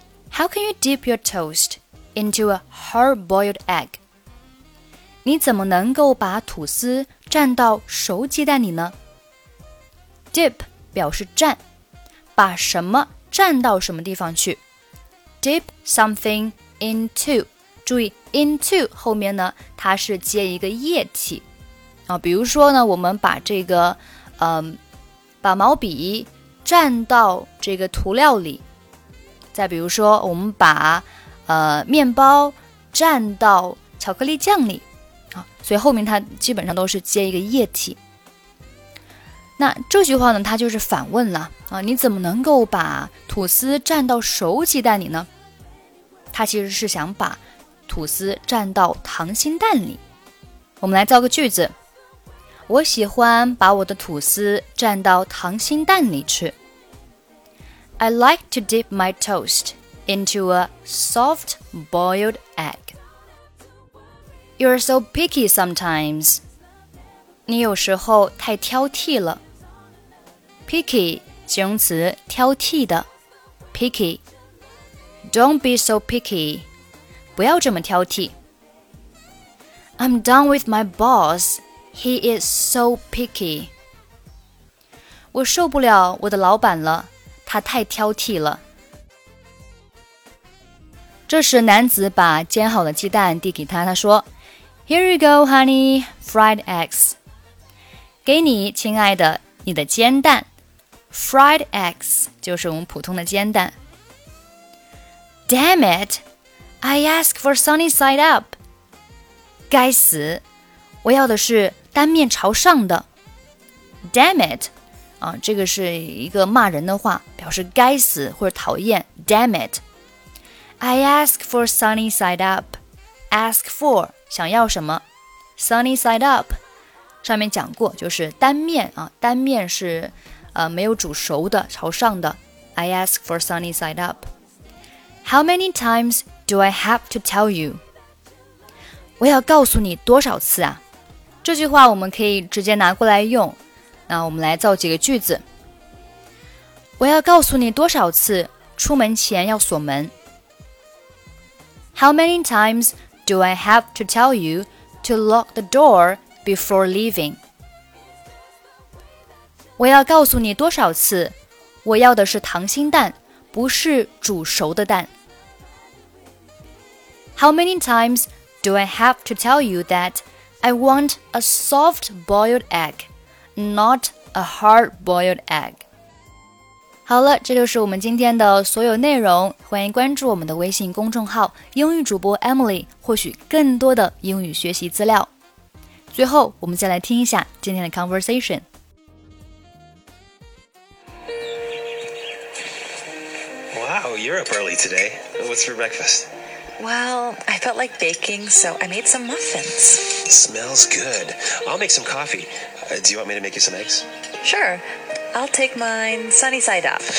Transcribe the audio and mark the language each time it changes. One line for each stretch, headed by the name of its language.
English: How can you dip your toast into a hard-boiled egg?
Chinese: 你怎么能够把吐司蘸到熟鸡蛋里呢？ Dip 表示蘸，把什么蘸到什么地方去。 Dip something into， 注意 into 后面呢，它是接一个液体、比如说呢，我们把这个、把毛笔蘸到这个涂料里，再比如说我们把、面包蘸到巧克力酱里、所以后面它基本上都是接一个液体。那这句话呢，它就是反问了、你怎么能够把吐司蘸到熟鸡蛋里呢？它其实是想把吐司蘸到溏心蛋里。我们来造个句子，我喜欢把我的吐司蘸到溏心蛋里吃。
English: I like to dip my toast into a soft-boiled egg. You're so picky sometimes.
Chinese: 你有时候太挑剔了。 Picky, 形容词挑剔的。
English: Picky. Don't be so picky.
Chinese: 不要这么挑剔。
English: I'm done with my boss. He is so picky.
Chinese: 我受不了我的老板了。他太挑剔了。这时男子把煎好的鸡蛋递给他，他说
English: Here you go honey, fried eggs.
Chinese: 给你亲爱的，你的煎蛋。 Fried eggs 就是我们普通的煎蛋。
English: Damn it, I ask for sunny side up.
Chinese: 该死，我要的是单面朝上的。
English: Damn it，
Chinese: 这个是一个骂人的话，表示该死或者讨厌。
English: Damn it! I ask for sunny side up.
Chinese: Ask for 想要什么 ？Sunny side up 上面讲过，就是单面啊，单面是没有煮熟的，朝上的。
English: I ask for sunny side up. How many times do I have to tell you?
Chinese: 我要告诉你多少次啊？这句话我们可以直接拿过来用。那我们来造几个句子。我要告诉你多少次出门前要锁门。
English: How many times do I have to tell you to lock the door before leaving?
Chinese: 我要告诉你多少次我要的是溏心蛋，不是煮熟的蛋。
English: How many times do I have to tell you that I want a soft-boiled egg? Not a hard-boiled egg.
Chinese: 好了，这就是我们今天的所有内容。欢迎关注我们的微信公众号英语主播 Emily， 获取更多的英语学习资料。最后，我们再来听一下今天的 conversation。
English: Wow, you're up early today. What's for breakfast? Well, I felt like baking, so I made some muffins. Smells good. I'll make some coffee. Do you want me to make you some eggs? Sure. I'll take mine sunny side up.